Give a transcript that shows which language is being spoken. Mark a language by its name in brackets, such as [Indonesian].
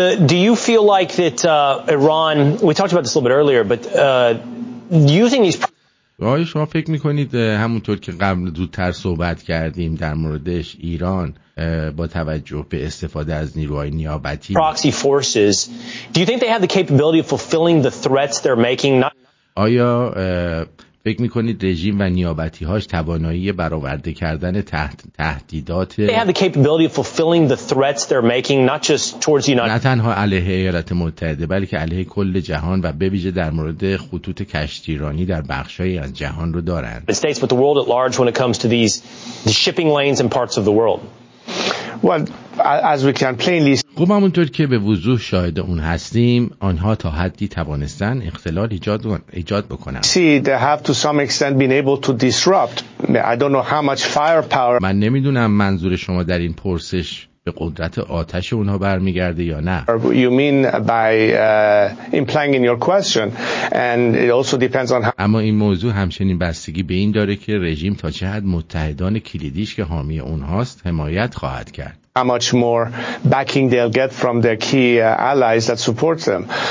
[English] Do you feel like that Iran, we talked about this a little bit earlier, but using these [Persian] آیا شما فکر میکنید همونطور که قبل زودتر صحبت کردیم در موردش ایران با توجه به استفاده از نیروهای نیابتی [English] proxy forces, do you think they have the capability of fulfilling the threats they're making? [Persian] آیا فکر میکنید رژیم و نیابتی هاش توانایی برآورده کردن تهدیدات [English] They have the capability of fulfilling the threats they're making not just towards United [Persian] نه تنها علیه ایالات متحده بلکه علیه کل جهان و به ویژه در مورد خطوط کشتیرانی در بخشای از جهان رو دارن. [English] The states but the world at large when it comes to these the shipping lanes and parts of the world. Well, as we can plainly [Persian] خب همونطور که به وضوح شاهد اون هستیم آنها تا حدی توانستن اختلال ایجاد بکنن. [English] See, they have to some extent been able to disrupt. I don't know how much firepower. [Persian] من نمیدونم منظور شما در این پرسش به قدرت آتش اونها برمیگرده یا نه. [English] You mean by implying in your question and it also depends on [Persian] اما این موضوع همچنین بستگی به این داره که رژیم تا چه حد متحدان کلیدیش که حامی اونهاست حمایت خواهد کرد. [English] How much more backing they'll get from their key allies that support them.